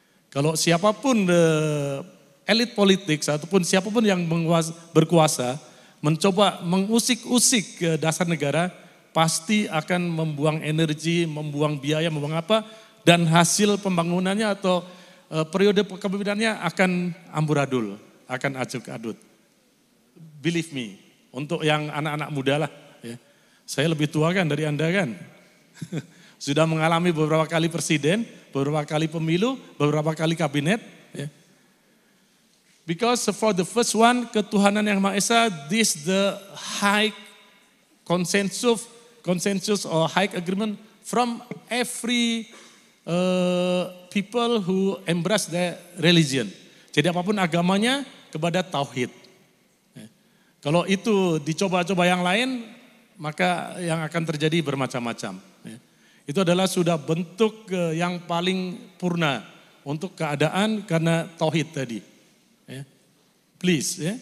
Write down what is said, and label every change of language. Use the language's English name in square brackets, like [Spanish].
[Indonesian] Kalau siapapun elit politik ataupun siapapun yang berkuasa mencoba mengusik-usik dasar negara, pasti akan membuang energi, membuang biaya, membuang apa, dan hasil pembangunannya atau periode kepemimpinannya akan amburadul, akan acuk-adut. [English] Believe me, [Indonesian] untuk yang anak-anak muda lah, ya. Saya lebih tua kan dari Anda kan, sudah mengalami beberapa kali presiden, beberapa kali pemilu, beberapa kali kabinet. Ya. [English] Because for the first one, ketuhanan yang Maha Esa, this the high consensus or high agreement from every people who embrace their religion. [Indonesian] Jadi apapun agamanya, kepada tauhid. Kalau itu dicoba-coba yang lain, maka yang akan terjadi bermacam-macam. Itu adalah sudah bentuk yang paling purna untuk keadaan karena tauhid tadi. Please.